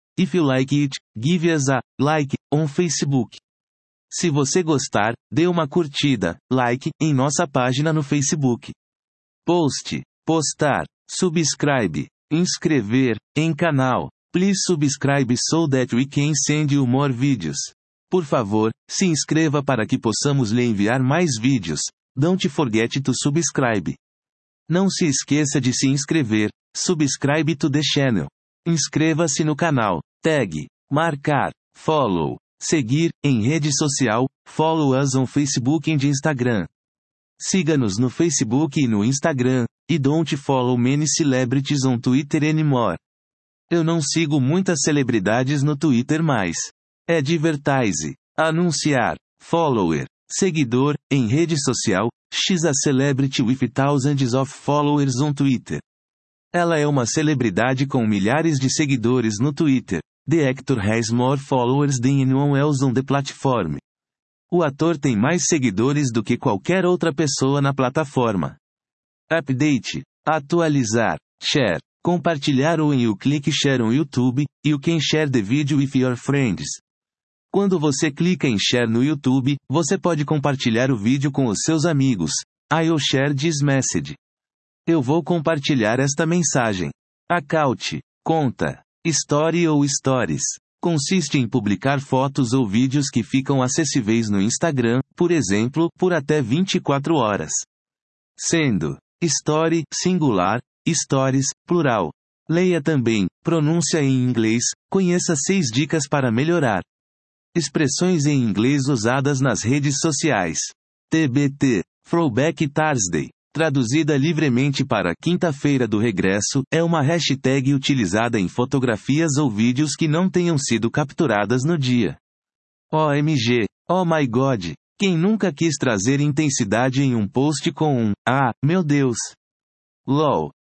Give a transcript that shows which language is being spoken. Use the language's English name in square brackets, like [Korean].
[English] If you like it, give us a like on Facebook. [Portuguese] Se você gostar, dê uma curtida, like, em nossa página no Facebook. Post. Postar. Subscribe. Inscrever. Em canal. [English] Please subscribe so that we can send you more videos. [Portuguese] Por favor, se inscreva para que possamos lhe enviar mais vídeos. [English] Don't forget to subscribe. [Portuguese] Não se esqueça de se inscrever. [English] Subscribe to the channel. [Portuguese] Inscreva-se no canal. Tag. Marcar. Follow. Seguir, em rede social, [English] follow us on Facebook and Instagram. [Portuguese] Siga-nos no Facebook e no Instagram, e [English] don't follow many celebrities on Twitter anymore. [Portuguese] Eu não sigo muitas celebridades no Twitter mais. [English] Advertise, anunciar, follower, seguidor, [Portuguese] em rede social, [English] she's a celebrity with thousands of followers on Twitter. [Portuguese] Ela é uma celebridade com milhares de seguidores no Twitter. [English] The actor has more followers than anyone else on the platform. [Portuguese] O ator tem mais seguidores do que qualquer outra pessoa na plataforma. [English] Update. Atualizar. Share. Compartilhar ou em you click share on YouTube, you can share the video with your friends. [Portuguese] Quando você clica em share no YouTube, você pode compartilhar o vídeo com os seus amigos. [English] I'll share this message. [Portuguese] Eu vou compartilhar esta mensagem. Account. Conta. Story ou Stories. Consiste em publicar fotos ou vídeos que ficam acessíveis no Instagram, por exemplo, por até 24 horas. Sendo Story, singular, Stories, plural. Leia também, pronúncia em inglês, conheça 6 dicas para melhorar. Expressões em inglês usadas nas redes sociais. [English] TBT, Throwback Thursday. [Portuguese] Traduzida livremente para quinta-feira do regresso, é uma hashtag utilizada em fotografias ou vídeos que não tenham sido capturadas no dia. [English] OMG! Oh my God! [Portuguese] Quem nunca quis trazer intensidade em um post com um Ah, meu Deus! LOL!